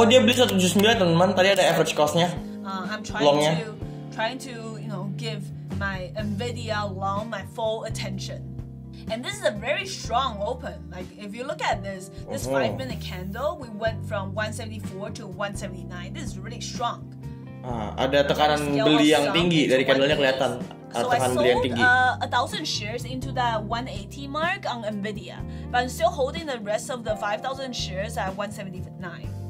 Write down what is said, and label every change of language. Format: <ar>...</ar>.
<id>Oh, dia beli 179, teman-teman. Tadi ada average cost-nya.</id> <en>I'm trying to you know give my Nvidia long my full attention. And this is a very strong open. Like if you look at this 5-minute candle, we went from 174 to 179. This is really strong.</en> <id>Ada tekanan beli yang tinggi dari candlenya kelihatan. Tekanan beli yang tinggi.</id> <en>So I sold 1,000 shares into that 180 mark on Nvidia, but I'm still holding the rest of the 5,000 shares at 179.</en>